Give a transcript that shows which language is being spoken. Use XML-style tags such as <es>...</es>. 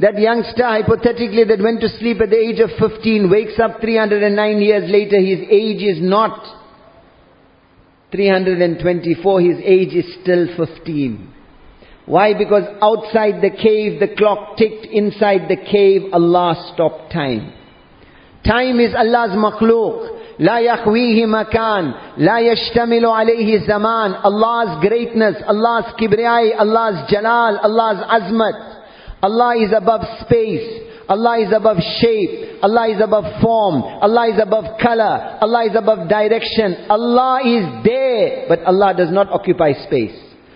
<en>That youngster hypothetically that went to sleep at the age of 15 wakes up 309 years later. His age is not 324, his age is still 15. Why? Because outside the cave, the clock ticked. Inside the cave, Allah stopped time. Time is Allah's makhluk.</en> <ar>لا يخويه مكان لا يشتمل عليه زمان.</ar> <en>Allah's greatness, Allah's kibriyai, Allah's jalal, Allah's azmat. Allah is above space. Allah is above shape. Allah is above form. Allah is above color. Allah is above direction. Allah is there, but Allah does not occupy space.</en>